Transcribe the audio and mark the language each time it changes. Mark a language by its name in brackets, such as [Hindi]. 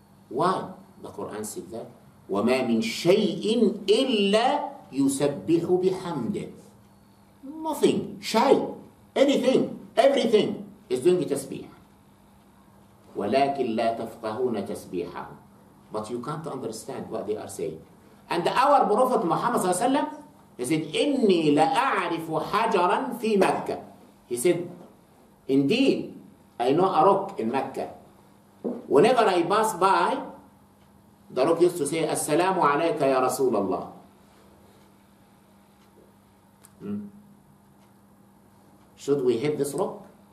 [English] Why? The Quran said that. [Arabic] وَمَا مِن شَيْءٍ إِلَّا يُسَبِّحُ بِحَمْدِهِ. [English] Nothing, shy, anything, everything is doing a tasbih. [Arabic] وَلَكِن لَا تَفْقَهُونَ تَسْبِيحَهُ. [English] But you can't understand what they are saying. And our Prophet Muhammad صلى الله عليه وسلم, he said, [Arabic] إِنِّي لَأَعْرِفُ حَجَرًا فِي مَكَّةِ. [English] He said, indeed, I know a rock in Mecca. Whenever I pass by, the rock used to say, [Arabic] السلام عليك يا رسول الله. [English] Should we hit this rock?